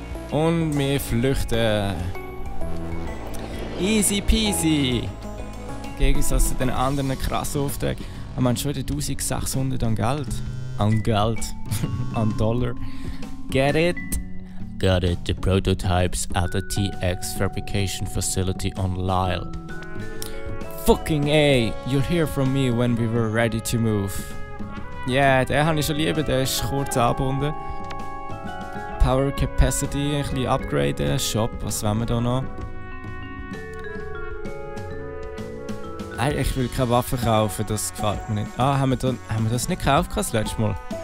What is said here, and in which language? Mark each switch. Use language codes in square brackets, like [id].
[de] Und wir flüchten. [en] Easy peasy. [de] Im Gegensatz zu den anderen krassen Aufträgen. Wir haben schon wieder 1600 an Geld. An Geld. An Dollar. [en] Get it? gutted the prototypes at the TX fabrication facility on Lyle. Fucking A, you'll hear from me when we were ready to move. [de] Yeah, den habe ich schon lieber, der ist kurz angebunden. Power Capacity ein bisschen upgraden, Shop, was wollen wir da noch? Nein, ich will keine Waffe kaufen, das gefällt mir nicht. Ah, haben wir das nicht gekauft das letzte Mal?